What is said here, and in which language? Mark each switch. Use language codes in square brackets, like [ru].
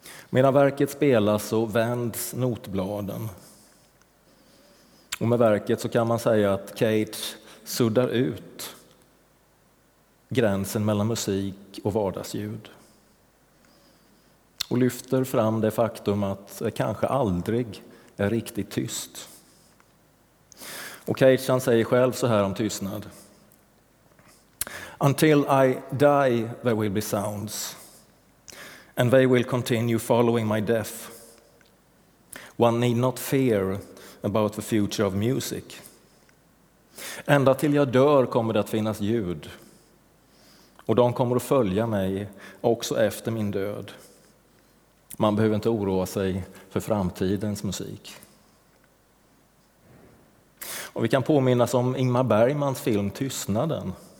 [sv] Medan verket spelas så vänds notbladen. Och med verket så kan man säga att Cage suddar ut gränsen mellan musik och vardagsljud. Och lyfter fram det faktum att det kanske aldrig är riktigt tyst. Och Cage säger själv så här om tystnad. [en] Until I die there will be sounds. And they will continue following my death. One need not fear about the future of music. [sv] Ända till jag dör kommer det att finnas ljud. Och de kommer att följa mig också efter min död. Man behöver inte oroa sig för framtidens musik. Och vi kan påminnas om Ingmar Bergmans film Tystnaden.